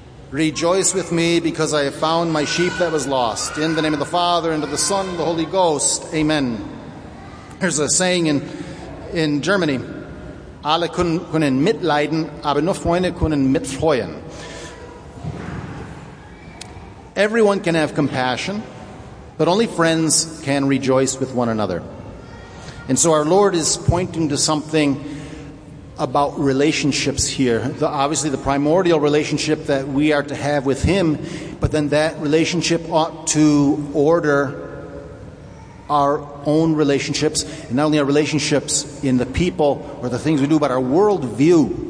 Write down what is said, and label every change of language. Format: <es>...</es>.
<en>Rejoice with me, because I have found my sheep that was lost. In the name of the Father, and of the Son, and of the Holy Ghost. Amen. There's a saying in Germany,</en> <de>alle können mitleiden, aber nur Freunde können mitfreuen.</de> <en>Everyone can have compassion, but only friends can rejoice with one another. And so our Lord is pointing to something about relationships here. Obviously the primordial relationship that we are to have with Him, but then that relationship ought to order our own relationships, and not only our relationships in the people or the things we do, but our worldview.</en>